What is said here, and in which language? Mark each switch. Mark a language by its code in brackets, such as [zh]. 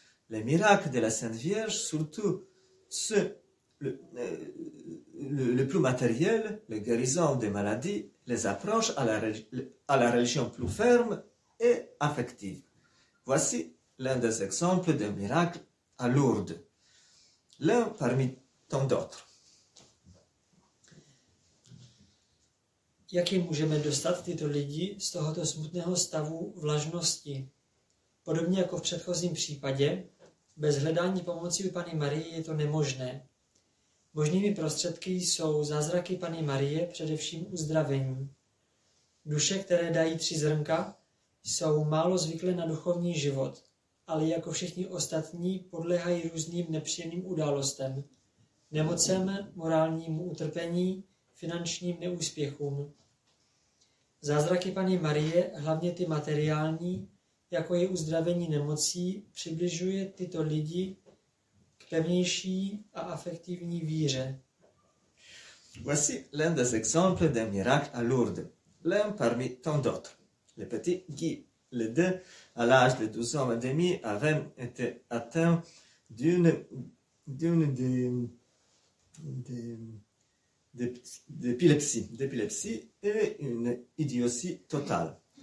[fr] Les miracles de la Sainte Vierge, surtout ceux le plus matériel, les guérisons des maladies, les approches à la religion plus ferme et affective. Voici l'un des exemples de miracles à Lourdes, l'un parmi tant d'autres. [cs] Jaké můžeme dostat tyto lidi z tohoto smutného stavu vlažnosti? Podobně jako v předchozím případě, bez hledání pomoci u Panny Marie je to nemožné. Možnými prostředky jsou zázraky Panny Marie, především uzdravení. Duše, které dají tři zrnka, jsou málo zvyklé na duchovní život, ale jako všichni ostatní podléhají různým nepříjemným událostem, nemocem, morálnímu utrpení, finančním neúspěchům. Zázraky Panny Marie, hlavně ty materiální, jako je uzdravení nemocí, přibližuje tyto lidi pevnější a affectivní víře. [fr] Voici l'un des exemples de miracles à Lourdes, l'un parmi tant d'autres. Le petit Guy, les deux, à l'âge de 12 ans et demi, avait été atteint d'épilepsie et une idiotie totale.